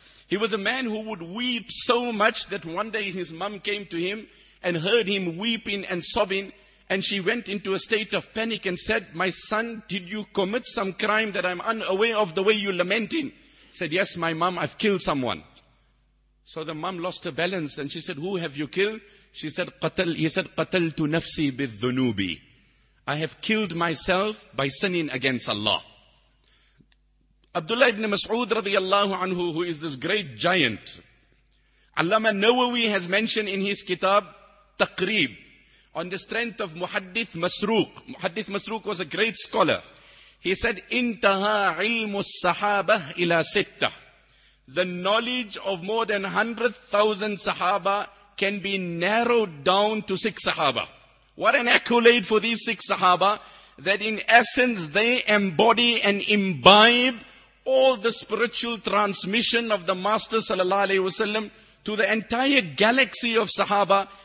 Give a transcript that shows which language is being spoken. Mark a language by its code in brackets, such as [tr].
[en] He was a man who would weep so much that one day his mom came to him and heard him weeping and sobbing. And she went into a state of panic and said, my son, did you commit some crime that I'm unaware of the way you're lamenting? Said, yes, my mom, I've killed someone. So the mom lost her balance and she said, who have you killed? She said, [ar] قتل. [en] He said, [ar] قَتَلْتُ نَفْسِي بِالذُّنُوبِ. [en] I have killed myself by sinning against Allah. Abdullah ibn Mas'ud radiallahu anhu, who is this great giant, Allama Nawawi has mentioned in his kitab, Taqrib, on the strength of Muhaddith Masruq. Muhaddith Masruq was a great scholar. He said, [ar] إِنْتَهَا عِلْمُ السَّحَابَةِ إِلَى سِتَّةِ. [en] The knowledge of more than 100,000 Sahaba can be narrowed down to 6 Sahaba. What an accolade for these 6 Sahaba, that in essence they embody and imbibe all the spiritual transmission of the Master Sallallahu Alaihi Wasallam to the entire galaxy of Sahaba.